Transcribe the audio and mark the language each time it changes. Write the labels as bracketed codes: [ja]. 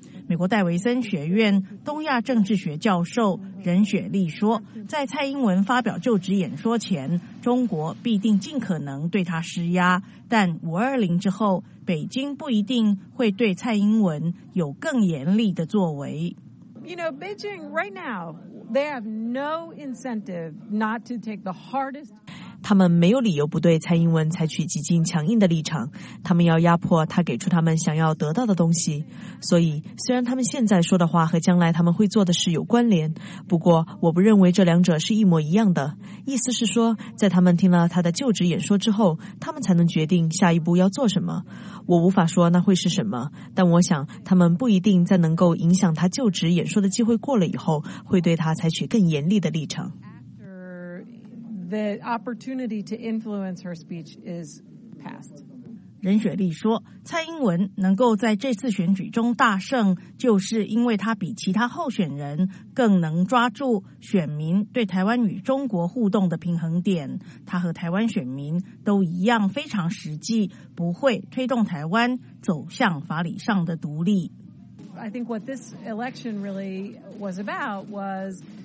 [zh] 美国戴维森学院东亚政治学教授任雪莉说，在蔡英文发表就职演说前，中国必定尽可能对他施压，但520之后，北京不一定会对蔡英文有更严厉的作为。 [en] You know, Beijing right now, they have no incentive not to take the hardest... [zh] 他们没有理由不对蔡英文采取极尽强硬的立场，他们要压迫他给出他们想要得到的东西。所以虽然他们现在说的话和将来他们会做的事有关联，不过我不认为这两者是一模一样的。意思是说，在他们听了他的就职演说之后，他们才能决定下一步要做什么。我无法说那会是什么，但我想他们不一定在能够影响他就职演说的机会过了以后，会对他采取更严厉的立场。 [en] The opportunity to influence her speech is passed. [zh] 任雪莉说，蔡英文能够在这次选举中大胜，就是因为他比其他候选人更能抓住选民对台湾与中国互动的平衡点。他和台湾选民都一样非常实际，不会推动台湾走向法理上的独立。 [en] I think what this election really was about was